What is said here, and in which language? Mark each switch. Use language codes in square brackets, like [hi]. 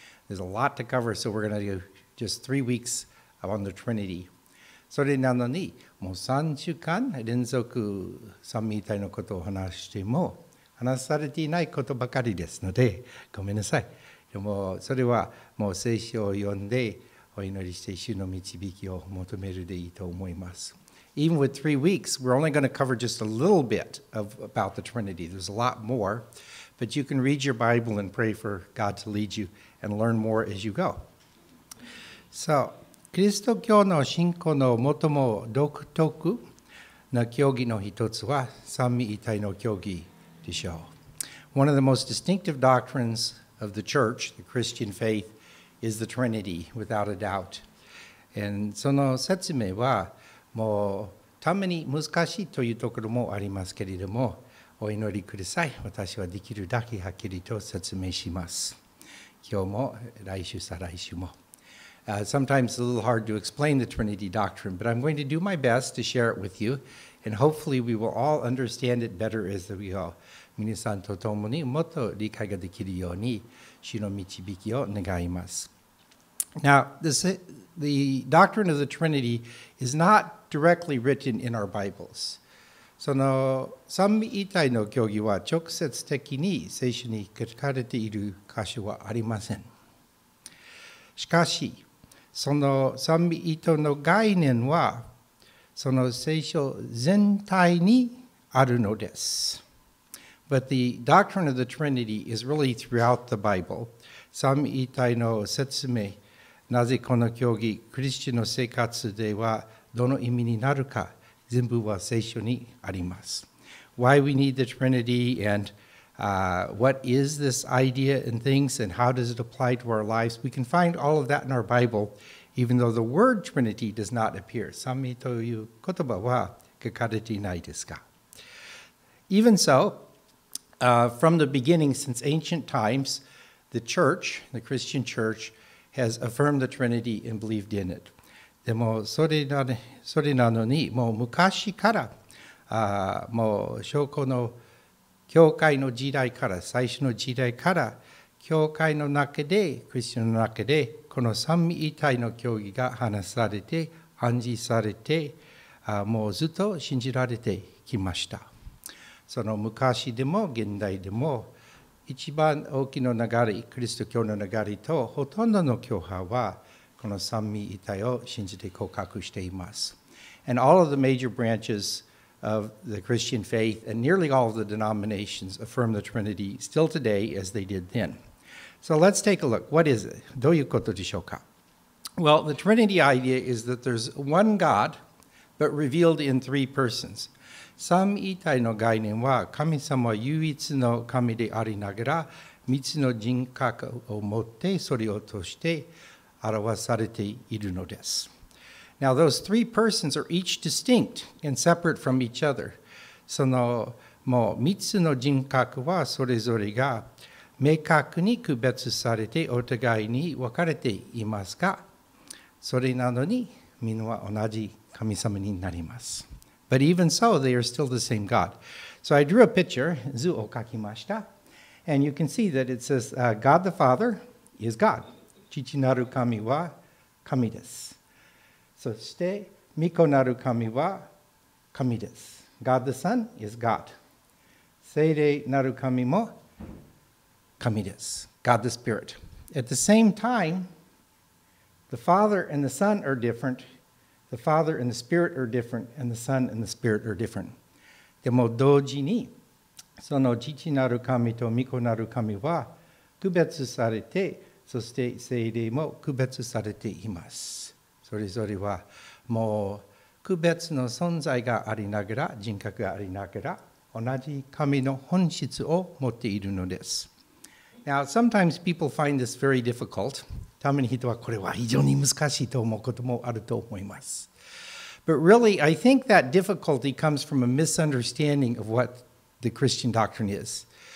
[en] There's a lot to cover, so we're going to do just 3 weeks on the Trinity. [ja] それなのに、もう3週間連続三位一体のことを話しても、話されていないことばかりですので、ごめんなさい。でもそれはもう聖書を読んで、お祈りして主の導きを求めるでいいと思います。 [en] Even with 3 weeks, we're only going to cover just a little bit of about the Trinity. There's a lot more, but you can read your Bible and pray for God to lead you and learn more as you go. [ja] So, キリスト教の信仰の最も独特な教義の一つは三位一体の教義でしょう。 [en] One of the most distinctive doctrines of the church, the Christian faith, is the Trinity, without a doubt. [ja] And その説明はもうために難しいというところもありますけれどもお祈りください。私はできるだけはっきりと説明します。今日も来週再来週も。 [en] Sometimes it's a little hard to explain the Trinity doctrine, but I'm going to do my best to share it with you, and hopefully we will all understand it better as we go. [ja] 皆さんと共にもっと理解ができるように主の導きを願います。 [en] Now, the doctrine of the Trinity is not directly written in our Bibles. [ja] その三位一体の教義は直接的に聖書に書かれている箇所はありません。しかし、その三位一体の概念はその聖書全体にあるのです。 [en] But the doctrine of the Trinity is really throughout the Bible. [ja] 三位一体の説明なぜこの教義、クリスチャンの生活ではどの意味になるか、全部は聖書にあります。 [en] Why we need the Trinity and what is this idea and things and how does it apply to our lives? We can find all of that in our Bible, even though the word Trinity does not appear. [ja] 三位という言葉は書かれていないですか。 [en] Even so, from the beginning, since ancient times, the church, the Christian church,has affirmed the Trinity and believed in it. [ja] でもそれなのにもう昔からもう証拠の教会の時代から最初の時代から教会の中でクリスチャンの中でこの三位一体の教義が話されて暗示されてもうずっと信じられてきました。その昔でも現代でも一番大きな流れ、キリスト教の流れとほとんどの教派はこの三位一体を信じて告白しています。 [en] And all of the major branches of the Christian faith and nearly all of the denominations affirm the Trinity still today as they did then. So let's take a look. What is it? [ja] どういうことでしょうか? [en] Well, the Trinity idea is that there's one God, but revealed in three persons. [ja] 三位一体の概念は神様は唯一の神でありながら三つの人格を持ってそれを通して表されているのです。 [en] Now those three persons are each distinct and separate from each other. [ja] そのもう三つの人格はそれぞれが明確に区別されてお互いに分かれていますが、それなのにみんなは同じ神様になります。 [en] But even so, they are still the same God. So I drew a picture, [ja] 図を描きました. [en] And you can see that it says, God the Father is God. [ja] 父なる神は神です。そして、御子なる神は神です。 [en] God the Son is God. [ja] 聖霊なる神も神です。 [en] God the Spirit. At the same time, the Father and the Son are different. The Father and the Spirit are different, and the Son and the Spirit are different. [ja] でも同時に、その父なる神と御子なる神は区別されて、そして聖霊も区別されています。それぞれはもう区別の存在がありながら、人格がありながら、同じ神の本質を持っているのです。 [en] Now, sometimes people find this very difficult. [ja] たまに人はこれは非常に難しいと思うこともあると思います。 [en] But really, I think that difficulty comes from a misunderstanding of what the Christian doctrine is.